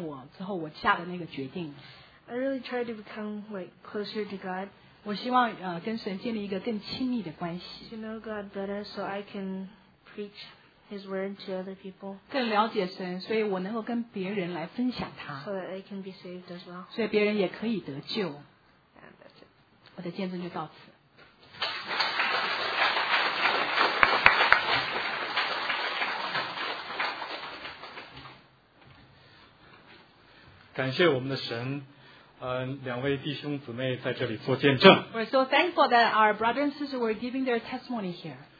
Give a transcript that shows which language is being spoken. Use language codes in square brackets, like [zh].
[zh] 我一直在努力的要达到我向我当我老师改变我之后我下的那个决定。 [en] I really tried to become like closer to God. [zh] 我希望跟神建立一个更亲密的关系。 [en] To know God better so I can preach His word to other people. [zh] 更了解神，所以我能够跟别人来分享他。 [en] So that they can be saved as well. [zh] 所以别人也可以得救。 [en] And that's it. [zh] 我的见证就到此。感谢我们的神，两位弟兄姊妹在这里做见证。 [en] We're so thankful that our brothers and sisters were giving their testimony here.